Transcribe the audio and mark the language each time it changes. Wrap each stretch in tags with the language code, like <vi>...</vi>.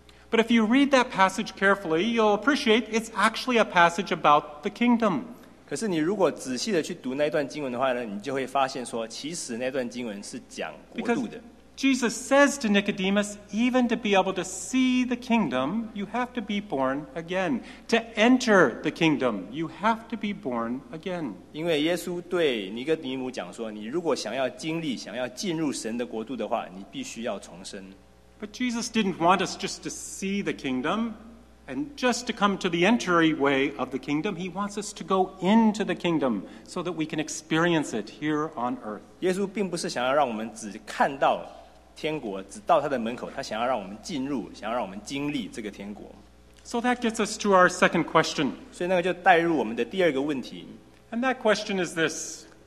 <en>But if you read that passage carefully, you'll appreciate it's actually a passage about the kingdom.</en> <zh>可是你如果仔细的去读那段经文的话呢，你就会发现说，其实那段经文是讲国度的。</zh> <en>Jesus says to Nicodemus, even to be able to see the kingdom, you have to be born again. To enter the kingdom, you have to be born again.</en> <zh>因为耶稣对尼哥底母讲说，你如果想要经历、想要进入神的国度的话，你必须要重生。</zh> <en>But Jesus didn't want us just to see the kingdom and just to come to the entryway of the kingdom. He wants us to go into the kingdom so that we can experience it here on earth.</en> <zh>耶稣并不是想要让我们只看到 天国,</zh> <en>so that gets us to our second question. And that question is this.</en>